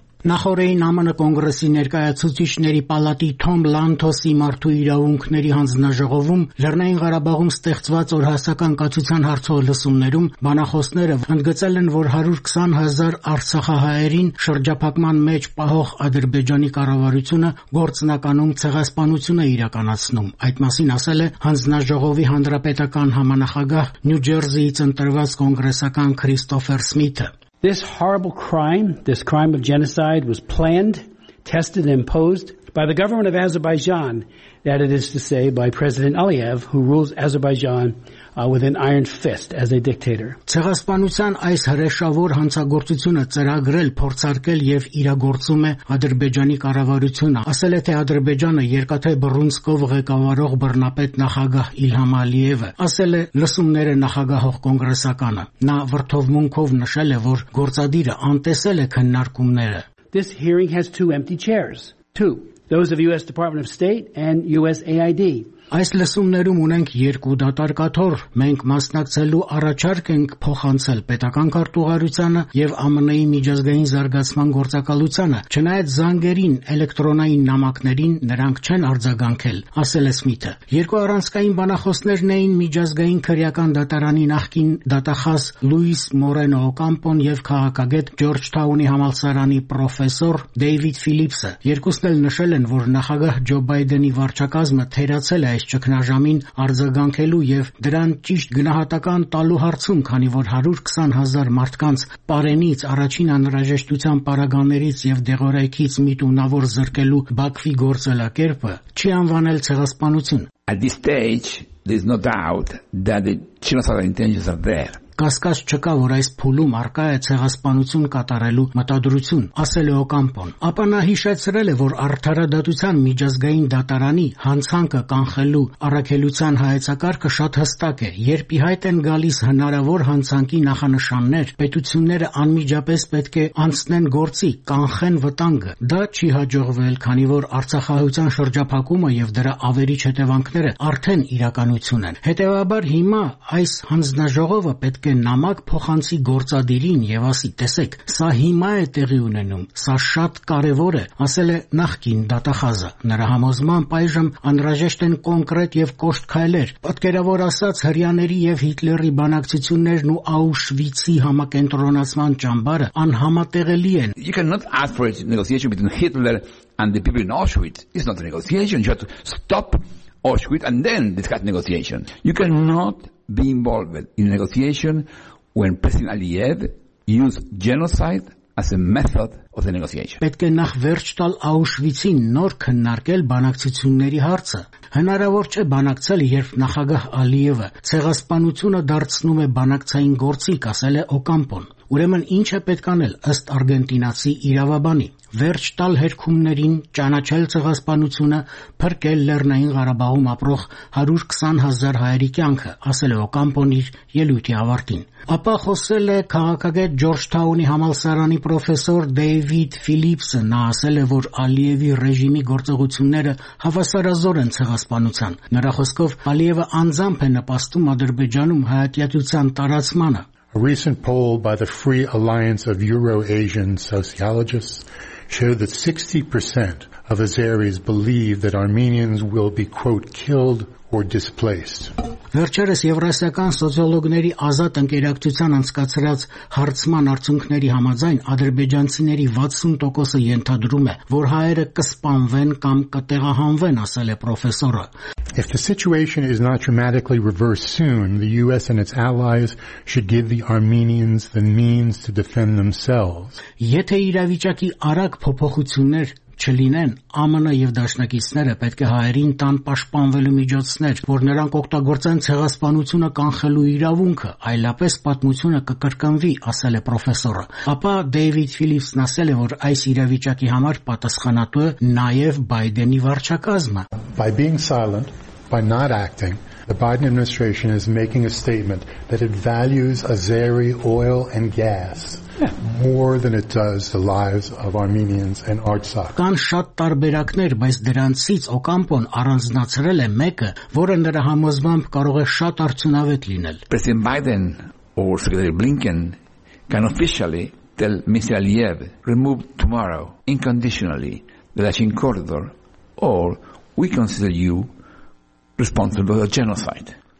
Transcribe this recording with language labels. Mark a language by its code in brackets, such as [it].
[hy] Նախորդային ԱՄՆ կոնգրեսի ներկայացուցիչների պալատի Թոմ Լանթոսի մարդու իրավունքների հանձնաժողովում Լեռնային Ղարաբաղում ստեղծված օրհասական կացության հարցով լսումներում բանախոսները ընդգծել են, որ 120 000 արցախահայերին շրջափակման մեջ պահող Ադրբեջանի կառավարությունը գործնականում ցեղասպանություն է իրականացնում։ Այդ մասին ասել է հանձնաժողովի հանրապետական համանախագահ Նյու Ջերսիից ընտրված կոնգրեսական Քրիստոֆեր Սմիթը։ [en] This horrible crime, this crime of genocide, was planned, tested, and imposed by the government of Azerbaijan, that it is to say by President Aliyev, who rules Azerbaijan with an iron fist as a dictator. [hy] Ցեղասպանության այս հրեշավոր հանցագործությունը ծրագրել, փորձարկել եւ իրագործում է Ադրբեջանի կառավարությունը։ Ասել է, թե Ադրբեջանը երկաթե բռունցքով ղեկավարող բռնապետ նախագահ Իլհամ Ալիևը, ասել է, լսումները նախագահող կոնգրեսականը։ Նա վրդովմունքով նշել է, որ գործադիրը անտեսել է քննարկումները։ [en] This hearing has two empty chairs. Two. Those of US Department of State and USAID. [hy] Այս լսումներում ունենք երկու դատարկաթոր, մենք մասնակցելու առաջարկ ենք փոխանցել պետական քարտուղարությանը եւ ԱՄՆ-ի միջազգային զարգացման գործակալությանը, չնայած զանգերին, էլեկտրոնային նամակներին նրանք չեն արձագանքել, ասել է Սմիթը։ Երկու առանցքային բանախոսներն էին միջազգային քրեական դատարանի նախկին դատախազ Լուիս Մորենո Օկամպոն եւ քաղաքագետ Ջորջ Թաունի համալսարանի պրոֆեսոր Դեյվիդ Ֆիլիպսը։ Երկուսն էլ նշել են, որ նախագահ Ջո Բայդենի վարչակազմը թերացել այս ճգնաժամին արձագանքելու եւ դրան ճիշտ գնահատական տալու հարցում, քանի որ 120 000 մարդկանց պարենից, առաջին անհրաժեշտության պարագաներից եւ դեղորայքից միտունավոր զրկելու Բաքվի գործելակերպը չի անվանել ցեղասպանություն։ [en] At this stage there's no doubt that the genocidal intentions are there. [hy] Կասկած չկա, որ այս փուլում առկա է ցեղասպանություն կատարելու մտադրություն, ասել է Օկամպոն։ Ապա նա հիշեցրել է, որ արդարադատության միջազգային դատարանի հանցանքը կանխելու առաքելության հայեցակարգը շատ հստակ է։ Երբ ի հայտ են գալիս հնարավոր հանցանքի նախանշաններ, պետությունները անմիջապես պետք է անցնեն գործի, կանխեն վտանգը։ Դա չի հաջողվել, քանի որ արցախահայության շրջափակումը եւ դրա ավերիչ հետևանքները արդեն իրականություն են։ Հետևաբար հիմա այս հանձնաժողովը պետք է նամակ փոխանցի գործադիրին եւ ասի, տեսեք, սա հիմա է տեղի ունենում, սա շատ կարեւոր է, ասել է նախկին դատախազը։ Նրա համոզման պայժմ անհրաժեշտ են կոնկրետ եւ կոշտ քայլեր։ Պատկերավոր ասած, հրյաների եւ Հիտլերի բանակցություններն ու Աուշվիցի համակենտրոնացման ճամբարը անհամատեղելի են։ [en] You cannot ask for a negotiation between Hitler and the people in Auschwitz. It's not a negotiation. You have to stop Auschwitz and then discuss negotiation. You cannot be involved in negotiation when President Aliyev used genocide as a method of the negotiation. [hy] Պետք է նախ վերջ տալ Աուշվիցին, նոր քննարկել բանակցությունների հարցը։ Հնարավոր չէ բանակցել, երբ նախագահ Ալիևը ցեղասպանությունը դարձնում է բանակցային գործիք, ասել է Օկամպոն։ Ուրեմն ի՞նչ է պետք անել ըստ արգենտինացի իրավաբանի։ Վերջ տալ հերքումներին, ճանաչել ցեղասպանությունը, փրկել Լեռնային Ղարաբաղում ապրող 120 000 հայերի կյանքը, ասել է Օկամպոն իր ելույթի ավարտին։ Ապա խոսել է քաղաքագետ Ջորջ Թաունի համալսարանի պրոֆեսոր Դեյվիդ Ֆիլիպսը, նա ասել է, որ Ալիևի ռեժիմի գործողությունները հավասարազոր են ցեղասպանության։ Նրա խոսքով Ալիևը անձամբ է նպաստում Ադրբեջանում հայատյացության տարածմանը։ [en] A recent poll by the Free Alliance of Euro-Asian Sociologists showed that 60% of Azeris believe that Armenians will be, quote, killed or displaced. [hy] Վերջերս Եվրասիական սոցիոլոգների ազատ ընկերակցության անցկացրած հարցման արդյունքների համաձայն ադրբեջանցիների 60% ենթադրում է, որ հայերը կսպանվեն կամ կտեղահանվեն, ասել է պրոֆեսորը. [en] If the situation is not dramatically reversed soon, the US and its allies should give the Armenians the means to defend themselves. [hy] Եթե իրավիճակի արագ փոփոխություններ չլինեն, ԱՄՆ եւ դաշնակիցները պետք է հայերին տան պաշտպանվելու միջոցներ, որ նրանք օգտագործեն ցեղասպանությունը կանխելու իրավունքը, այլապես պատմությունը կկրկնվի, ասել է պրոֆեսորը։ Ապա Դեյվիդ Ֆիլիպսն ասել է, որ այս իրավիճակի համար պատասխանատու է նաեւ Բայդենի վարչակազմը. [en] By being silent, by not acting, the Biden administration is making a statement that it values Azeri oil and gas more than it does the lives of Armenians and Artsakh. [hy] Կան շատ տարբերակներ, բայց դրանցից Օկամպոն առանձնացրել է մեկը, որը նրա համոզմամբ կարող է շատ արդյունավետ լինել. [en] President Biden or Secretary Blinken can officially tell Mr. Aliyev remove tomorrow unconditionally the Lachin corridor or we consider you responsible for genocide.